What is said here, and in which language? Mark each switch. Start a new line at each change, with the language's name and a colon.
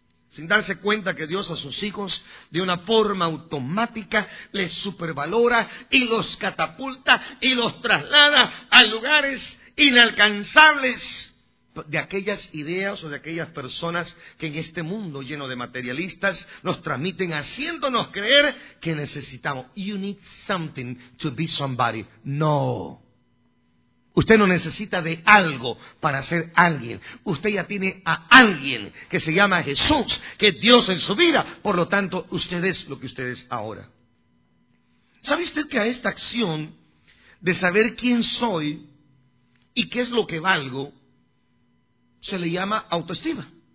Spanish: Sin darse cuenta que Dios a sus hijos de una forma automática les supervalora y los catapulta y los traslada a lugares inalcanzables de aquellas ideas o de aquellas personas que en este mundo lleno de materialistas nos transmiten haciéndonos creer que necesitamos.
English: You need something to be somebody.
Spanish: No. Usted no necesita de algo para ser alguien. Usted ya tiene a alguien que se llama Jesús, que es Dios en su vida. Por lo tanto, usted es lo que usted es ahora. ¿Sabe usted que a esta acción de saber quién soy y qué es lo que valgo, se le llama autoestima?